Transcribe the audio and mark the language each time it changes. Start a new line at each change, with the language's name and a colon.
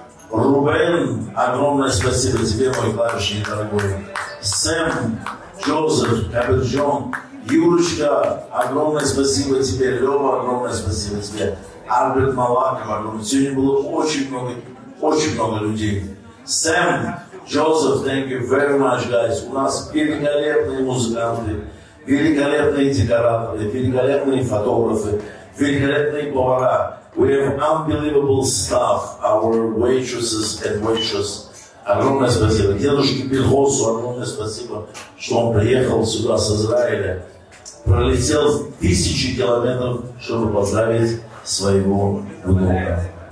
Russian: Рубен, огромное спасибо тебе, мой барышник дорогой. Сэм, Джозеф, Эберджон, Юрочка, огромное спасибо тебе. Лёва, огромное спасибо тебе. Альберт Малаков, огромное. Сегодня было очень много людей.
English: Сэм, Джозеф, thank you very much, guys.
Russian: У нас великолепные музыканты, великолепные декораторы, великолепные фотографы, великолепные повара.
English: We have unbelievable staff, our waitresses and waitresses.
Russian: Огромное спасибо. Дедушке Пинхосу огромное спасибо, что он приехал сюда с Израиля. Пролетел тысячи километров, чтобы поздравить своего внука.